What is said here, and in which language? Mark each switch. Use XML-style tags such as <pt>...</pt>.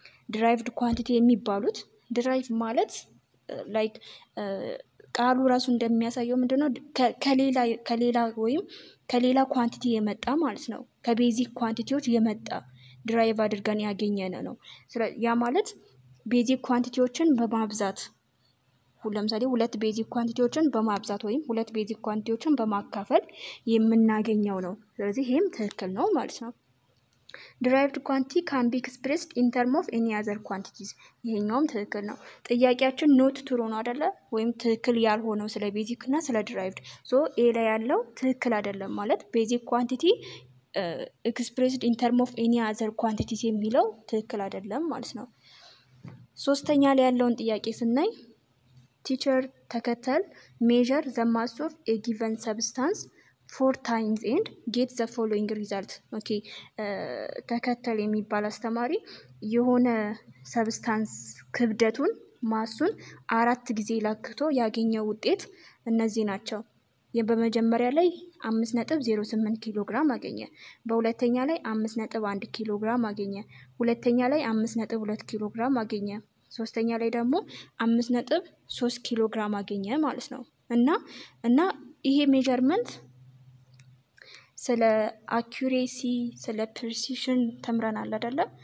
<am>derived quantity የሚባሉት derive ማለት like ቃሉ ራሱ እንደሚያሳየው ምንድነው ከሌላ ወይም ከሌላ quantity የመጣ ማለት ነው። ከbasic quantityዎች የመጣ derive አድርገን ያገኘነ ነው። ስለዚህ ያ ማለት basic quantityዎችን በማብዛት ለምሳሌ ሁለት basic quantityዎችን በማብዛት ወይም ሁለት basic quantityዎችን በማካፈል የምናገኘው ነው። ስለዚህ ይሄም ትክክል ነው ማለት ነው።</am> <en>derived quantity can be expressed in terms of any other quantities</en> <am>ይሄኛውም ትክክል ነው። ጥያቄያችን not true ነው አይደለ? ወይም ትክክል ያልሆነው ስለ basic እና ስለ derived so a ላይ ያለው ትክክል አይደለም ማለት basic quantity expressed in terms of any other quantities የሚለው ትክክል አይደለም ማለት ነው። ሶስተኛ ላይ ያለውን ጥያቄ ስናይ</am> <en>teacher takatal measure the mass of a given substance 4 times and get the following result.</en> <am>okay takatal የሚባል አስተማሪ የሆነ substance ክብደቱን ማሱን አራት ጊዜ ለክቶ ያገኘው ውጤት እነዚህ ናቸው። የበመጀመሪያ ላይ 5.08 ኪሎ ግራም አገኘ። በሁለተኛ ላይ 5.1 ኪሎ ግራም አገኘ። ሁለተኛ ላይ 5.2 ኪሎ ግራም አገኘ። ሶስተኛ ላይ ደግሞ 5.3 ኪሎ ግራም አገኘ ማለት ነው። እና ይሄ ሜጀርመንት ስለ አኩሬሲ ስለ ፕሪሲዥን ተምረናል አይደለ?</am>